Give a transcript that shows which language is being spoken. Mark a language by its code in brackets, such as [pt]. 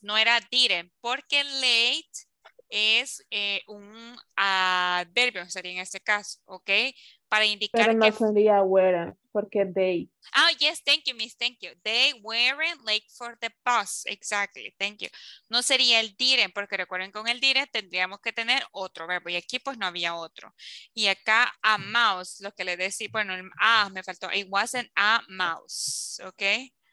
[es] No era didn't, porque late es un adverbio, sería en este caso, ¿ok? Para indicar pero no que... Pero no sería weren't, porque they... [en] Oh, yes, thank you, miss, thank you. They weren't late for the bus, exactly, thank you. [es] No sería el didn't, porque recuerden, con el didn't tendríamos que tener otro verbo, y aquí pues no había otro. Y acá a mouse, lo que le decía, bueno, me faltó, [en] it wasn't a mouse, [es] ¿ok?